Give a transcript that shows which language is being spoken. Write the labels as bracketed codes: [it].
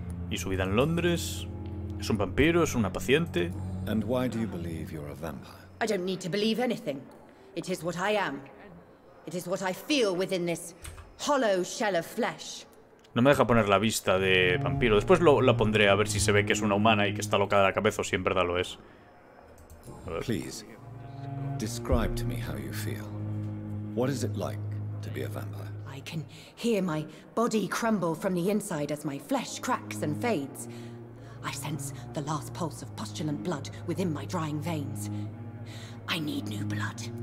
[es] y su vida en Londres. Es un vampiro, es una paciente. [en] And why do you believe you're a vampire? I don't need to believe anything. It is what I am. It is what I feel within this hollow shell of flesh. [es] No me deja poner la vista de vampiro. Después lo pondré a ver si se ve que es una humana y que está loca de la cabeza o si en verdad lo es. [en] Please, describe to me how you feel. What is it like to be a vampire? I can hear my body crumble from the inside as my flesh cracks and fades. I sense the last pulse of postulant blood within my drying veins. I need new blood.